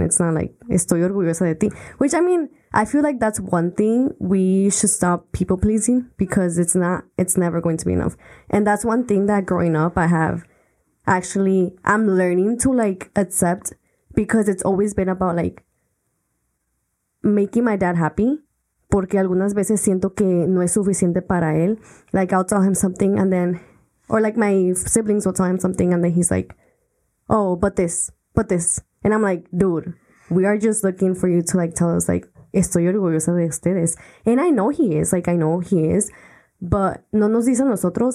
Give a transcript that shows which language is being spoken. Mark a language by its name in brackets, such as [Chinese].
[English] It's not like, [Spanish] estoy orgullosa de ti. [English] Which, I mean, I feel like that's one thing we should stop people pleasing, because it's never going to be enough. And that's one thing that growing up I have actually, I'm learning to like accept, because it's always been about like making my dad happy. [Spanish] Porque algunas veces siento que no es suficiente para él. [English] Like I'll tell him something and then, or like my siblings will tell him something and then he's like, oh, but this. And I'm like, dude, we are just looking for you to like tell us like, [Spanish] estoy orgullosa de ustedes. [English] And I know he is. Like, I know he is. But [Spanish] no nos dice nosotros.